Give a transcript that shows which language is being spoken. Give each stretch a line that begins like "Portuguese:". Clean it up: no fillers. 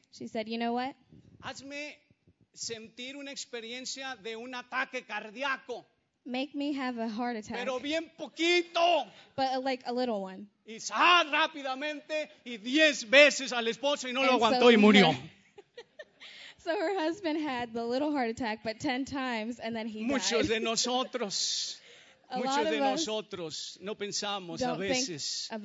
English: She said, you know what?
Spanish: Hazme sentir una experiencia de un ataque cardíaco.
English: Make me have a heart attack.
Spanish: Pero bien poquito.
English: But like a little one.
Spanish: Y sal rápidamente y 10 veces al esposo y no lo aguantó y murió.
English: So her husband had the little heart attack, but 10 times and then he died.
Spanish: Muchos de nosotros, muchos de nosotros no pensamos a veces.